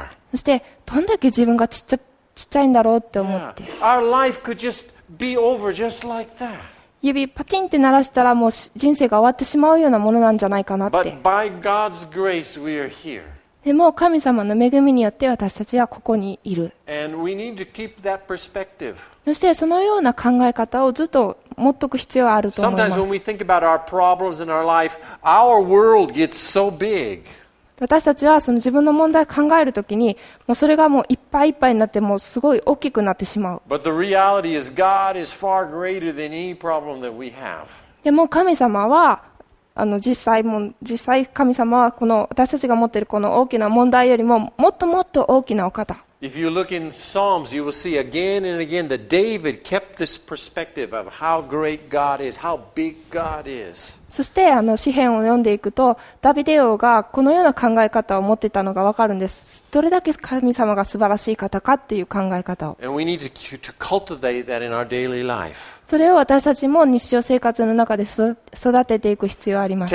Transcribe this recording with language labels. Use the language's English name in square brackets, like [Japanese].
[Japanese] そして、どんだけ自分がちっちゃいんだろうって思って。 Yeah. [English] Our life could just be over just like that. [Japanese] 指パチンって鳴らしたらもう人生が終わってしまうようなものなんじゃないかなって。 [English] But by God's grace, we are here. [Japanese] でも神様の恵みによって私たちはここにいる。 [English] And we need to keep that perspective. [Japanese] そしてそのような考え方をずっと持っておく必要があると思います。 [English] Sometimes when we think about our problems in our life, our world gets so big. [Japanese] 私たちはその自分の問題を考えるときに、もうそれがもういっぱいいっぱいになって、もうすごい大きくなってしまう。 [English] But the reality is God is far greater than any problem that we have. [Japanese] でも神様は、実際神様はこの私たちが持っているこの大きな問題よりも、もっともっと大きなお方。 [English] If you look in Psalms, you will see again and again that David kept this perspective of how great God is, how big God is. [Japanese] そして詩編を読んでいくと、ダビデ王がこのような考え方を持っていたのがわかるんです。どれだけ神様が素晴らしい方かっていう考え方を。 [English] And we need to cultivate that in our daily life. [Japanese] それを私たちも日常生活の中で育てていく必要があります。